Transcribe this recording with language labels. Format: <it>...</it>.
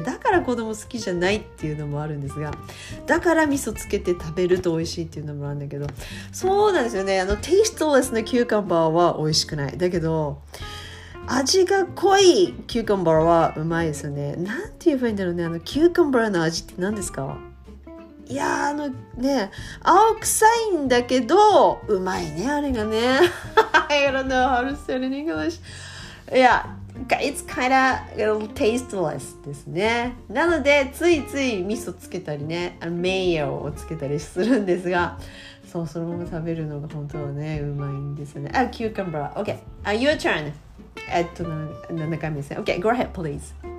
<ja>だから子供好きじゃないっていうのもあるんですが、だから味噌つけて食べると美味しいっていうのもあるんだけど、そうなんですよね。あの tasteless のキューカンバーは美味しくない。だけど、味が濃いキューカンバーはうまいですよね。なんていうふうに言うんだろうね。あのキューカンバーの味って何ですか？いやあのね、青臭いんだけどうまいね、あれがね。</ja> <en>I don't know how to say it in English. Yeah, it's kind of a little tasteless</en> <ja>ですね。なのでついつい味噌つけたりね、マヨをつけたりするんですが、そう、そのまま食べるのが本当はね、うまいんですよね。</ja> <en>Oh, cucumber. Okay, your turn.</en> <ja>7回目ですね。</ja> <en>Okay, go ahead, please.</en>